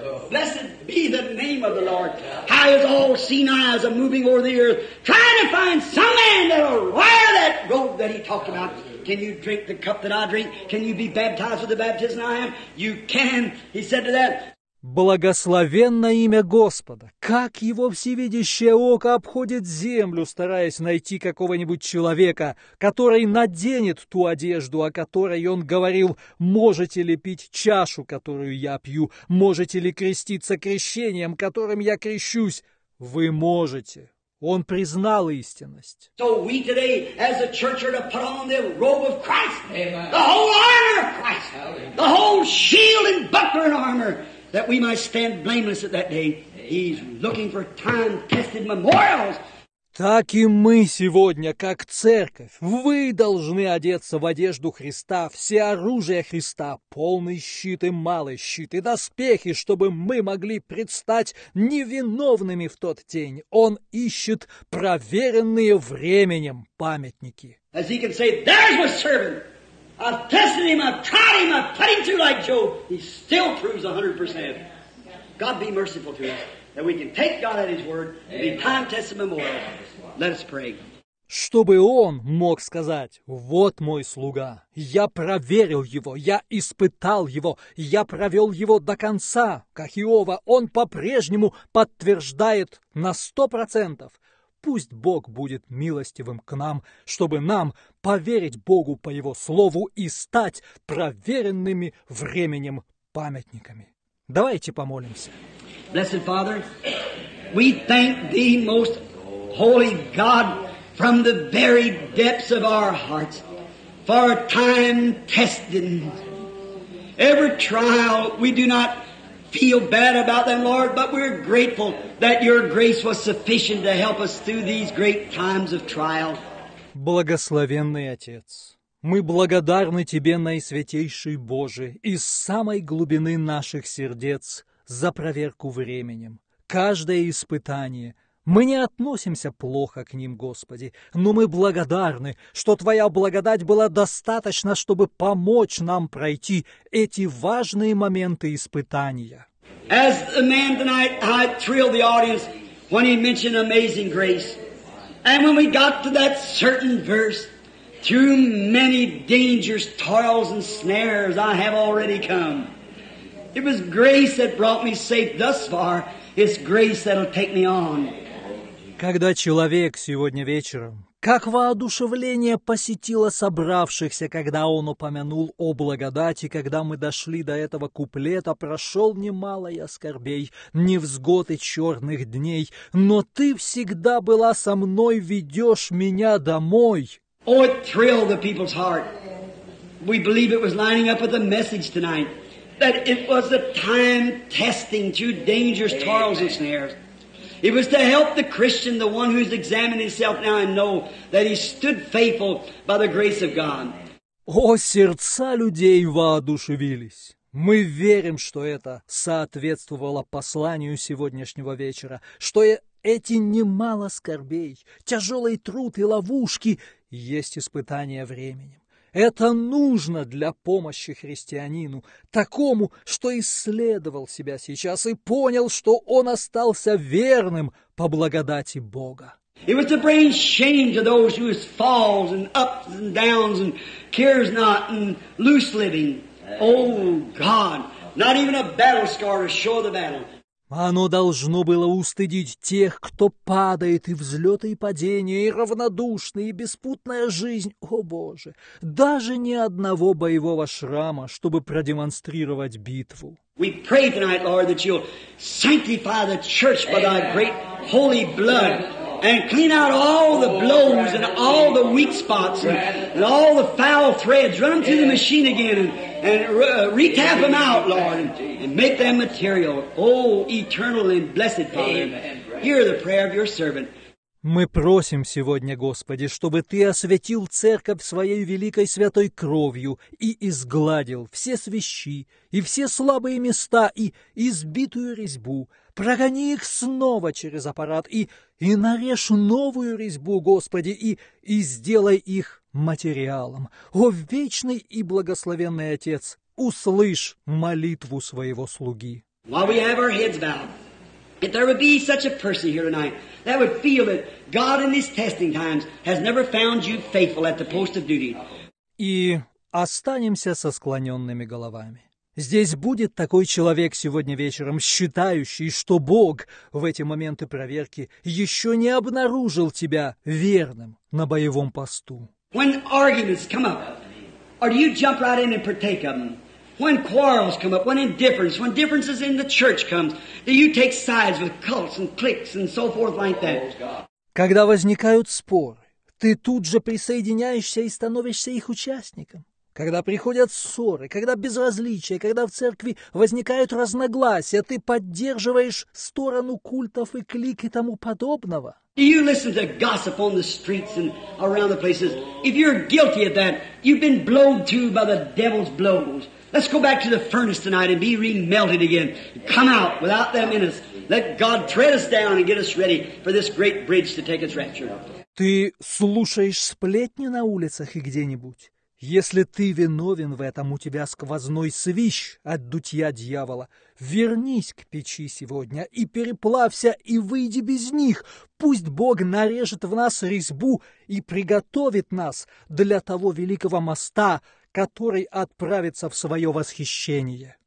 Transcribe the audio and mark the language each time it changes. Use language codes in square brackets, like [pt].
[en] Blessed be the name of the Lord. How is all seen eyes are moving over the earth, trying to find some man that will wear that robe that he talked about. Can you drink the cup that I drink? Can you be baptized with the baptism I am? You can. He said to that. [ru] Благословенное имя Господа! Как его всевидящее око обходит землю, стараясь найти какого-нибудь человека, который наденет ту одежду, о которой он говорил, можете ли пить чашу, которую я пью, можете ли креститься крещением, которым я крещусь? Вы можете. Он признал истинность. [en] So we today, as a church, are to put on the robe of Christ, the whole armor of Christ, the whole shield and buckler and armor. That we might stand blameless at that day. He's looking for time-tested memorials. [ru] Так и мы сегодня, как церковь, вы должны одеться в одежду Христа, все оружие Христа, полный щит и малый щит, и доспехи, чтобы мы могли предстать невиновными в тот день. Он ищет проверенные временем памятники. [en] As he can say, there's my servant. I've tested him, I've tried him, I've put him through like Job. He still proves 100%. God be merciful to us. That we can take God at His word and be time-tested memorial. Let us pray. [ru] Чтобы он мог сказать: вот мой слуга, я проверил его, я испытал его, я провел его до конца, как Иова, он по-прежнему подтверждает на 100%. Пусть Бог будет милостивым к нам, чтобы нам поверить Богу по Его слову и стать проверенными временем памятниками. Давайте помолимся. [en] Blessed Father, we thank Thee, most holy God, from the very depths of our hearts, for time testing. Every trial, we do not feel bad about them, Lord, but we're grateful that Your grace was sufficient to help us through these great times of trial. [ru] Благословенный Отец, мы благодарны Тебе, Наисвятейший Божий, из самой глубины наших сердец, за проверку временем. Каждое испытание. Мы не относимся плохо к ним, Господи, но мы благодарны, что Твоя благодать была достаточна, чтобы помочь нам пройти эти важные моменты испытания. [en] As the man tonight, I thrilled the audience when he mentioned amazing grace. And when we got to that certain verse, through many dangers, toils and snares, I have already come. It was grace that brought me safe thus far. It's grace that'll take me on. [ru] Когда человек сегодня вечером, как воодушевление посетило собравшихся, когда он упомянул о благодати, когда мы дошли до этого куплета, прошел немало я скорбей, невзгод и черных дней, но ты всегда была со мной, ведешь меня домой. [en] Oh, it thrilled the people's heart. We believe it was lining up with the message tonight. That it was the time testing through dangers, toils, and snares. It was to help the Christian, the one who's examining himself now and know that he stood faithful by the grace of God. [ru] О, сердца людей воодушевились. Мы верим, что это соответствовало посланию сегодняшнего вечера, что эти немало скорбей, тяжелый труд и ловушки есть испытание временем. Это нужно для помощи христианину, такому, что исследовал себя сейчас и понял, что он остался верным по благодати Бога. [en] It was to bring shame to those who is falls and ups and downs and cares not and loose living. Oh, God, not even a battle scar to show the battle. [ru] Оно должно было устыдить тех, кто падает, и взлеты, и падения, и равнодушные, и беспутная жизнь. О, Боже! Даже ни одного боевого шрама, чтобы продемонстрировать битву. [en] We pray tonight, Lord, that You'll sanctify the church by Thy great holy blood and clean out all the blows and all the weak spots and all the foul threads. Run them through the machine again and retap them out, Lord, and make them material. Oh, eternal and blessed Father, hear the prayer of Your servant. [ru] Мы просим сегодня, Господи, чтобы Ты освятил церковь Своей великой святой кровью и изгладил все свящи и все слабые места и избитую резьбу. Прогони их снова через аппарат и нарежь новую резьбу, Господи, и сделай их материалом. О, вечный и благословенный Отец, услышь молитву Своего слуги. [en] While we have our heads bowed, if there would be such a person here tonight that would feel that God in these testing times has never found you faithful at the post of duty. [ru] И останемся со склоненными головами. Здесь будет такой человек сегодня вечером, считающий, что Бог в эти моменты проверки еще не обнаружил тебя верным на боевом посту. [en] When arguments come up, or do you jump right in and partake of them? When quarrels come up, when indifference, when differences in the church comes, do you take sides with cults and cliques and so forth like that? [ru] Когда возникают споры, ты тут же присоединяешься и становишься их участником. Когда приходят ссоры, когда безразличие, когда в церкви возникают разногласия, ты поддерживаешь сторону культов и клик и тому подобного. [en] You listen to gossip on the streets and around the places. If you're guilty of that, you've been blown to by the devil's blows. Let's go back to the furnace tonight and be remelted again. Come out without them in us. Let God tread us down and get us ready for this great bridge to take us rapture. [ru] Ты слушаешь сплетни на улицах и где-нибудь? Если ты виновен в этом, у тебя сквозной свищ от дутья дьявола. Вернись к печи сегодня и переплавься, и выйди без них. Пусть Бог нарежет в нас резьбу и приготовит нас для того великого моста, который отправится в свое восхищение.